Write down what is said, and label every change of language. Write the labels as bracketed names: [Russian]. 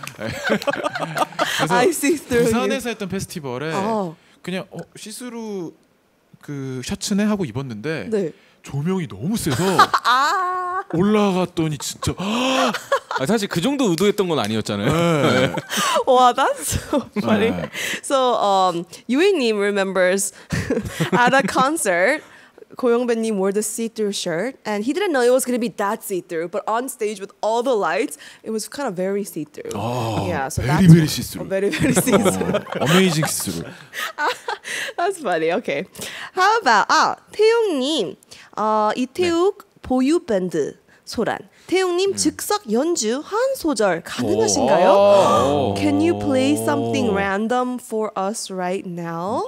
[English] 네. I see through [Korean] 부산에서 you. 했던 페스티벌에 그냥 시스루. 그 셔츠네 하고 입었는데 네. 조명이 너무 세서 올라갔더니 진짜 아, 사실 그 정도 의도했던 건 아니었잖아요. [English] 네. 와, that's so funny. 네. So, Yui님 remembers at a concert, 고영배님 wore the see-through shirt, and he didn't know it was going to be that see-through, but on stage with all the lights, it was kind of very see-through. 아, yeah, so very, very see-through. Very, very see-through. Amazing see-through. That's funny, okay. How about, 태용님, 이태욱 네. [Korean] 보유 밴드 소란. 태용님 즉석 연주 한 소절 가능하신가요? [English] Can you play something random for us right now?